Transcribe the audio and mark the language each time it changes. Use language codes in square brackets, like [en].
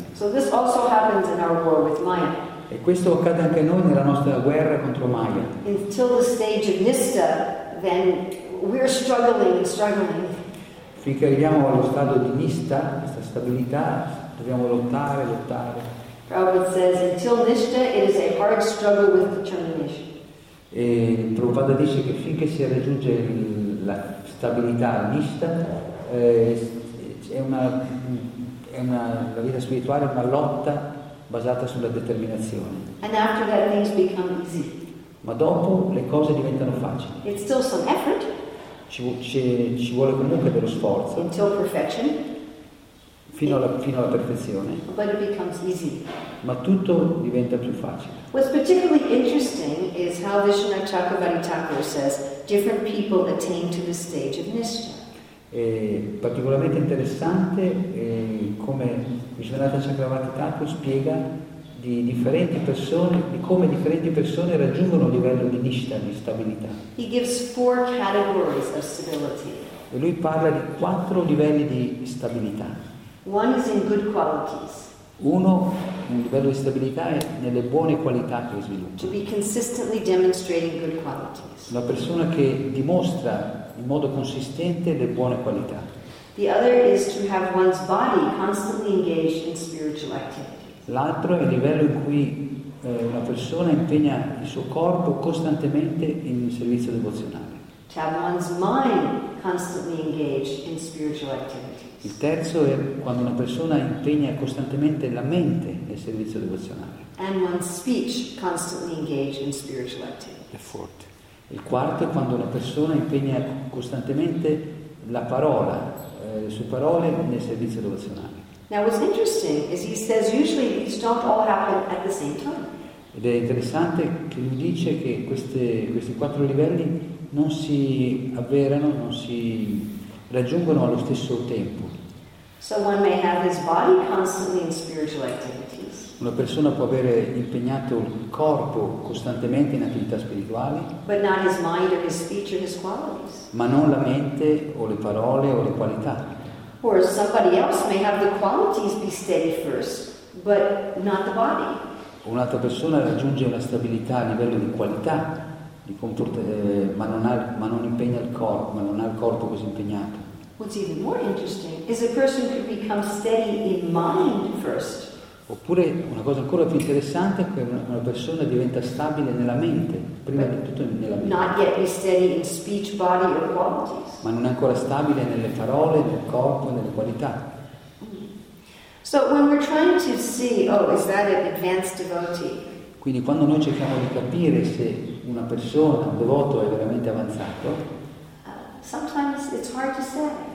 [en] So this also happens in our war with Maya. [it] E questo accade anche a noi nella nostra guerra contro Maya. [en] Until the stage of Nista, then we're struggling. [it] Finché arriviamo allo stato di Nista, questa stabilità, dobbiamo lottare. [en] Prabhupada says, until Nista, it is a hard struggle with determination. [it] E Prabhupada dice che finché si raggiunge la stabilità Nista, è una la vita spirituale è una lotta basata sulla determinazione. [en] And after that, things become easy. [it] Ma dopo le cose diventano facili. [en] It's still some effort. [it] Ci vuole comunque dello sforzo. [en] Until perfection. [it] Fino alla perfezione. [en] But it becomes easy. [it] Ma tutto diventa più facile. [en] What's particularly interesting is how Vishnu Chakravarti Thakur says different people attain to the stage of Nishtha. [it] È particolarmente interessante come Vishwanatha Chakravarti Thakur spiega di differenti persone di come differenti persone raggiungono un livello di nishtha, di stabilità. [en] He gives four categories of stability. [it] E lui parla di quattro livelli di stabilità. [en] One is in good qualities. [it] Uno, un livello di stabilità è nelle buone qualità che sviluppa. [en] To be consistently demonstrating good qualities. [it] La persona che dimostra in modo consistente le buone qualità. [en] The other is to have one's body constantly engaged in spiritual activity. [it] L'altro è il livello in cui una persona impegna il suo corpo costantemente in un servizio devozionale. [en] To have one's mind constantly engaged in spiritual activities. [it] Il terzo è quando una persona impegna costantemente la mente nel servizio devozionale. [en] And one's speech constantly engaged in spiritual activities. The fourth. [it] Il quarto è quando una persona impegna costantemente la parola, le sue parole nel servizio devozionale. [en] Now what's interesting is he says usually these don't all happen at the same time. [it] Ed è interessante che lui dice che questi quattro livelli non si avverano, non si raggiungono allo stesso tempo. [en] So one may have his body constantly in spiritual activities. [it] Una persona può avere impegnato il corpo costantemente in attività spirituali, [en] but not his mind or his speech or his qualities. [it] Ma non la mente o le parole o le qualità. [en] Or somebody else may have the qualities be steady first, but not the body. [it] Un'altra persona raggiunge la stabilità a livello di qualità, ma non ha il corpo così impegnato. [en] What's even more interesting is a person could become steady in mind first. [it] Oppure una cosa ancora più interessante è che una persona diventa stabile nella mente, prima di tutto nella mente. [en] Not yet be steady in speech, body or qualities. [it] Ma non è ancora stabile nelle parole, nel corpo, nelle qualità. [en] So when we're trying to see, oh, is that an advanced devotee? [it] Quindi quando noi cerchiamo di capire se una persona, un devoto è veramente avanzato, [en] sometimes it's hard to say.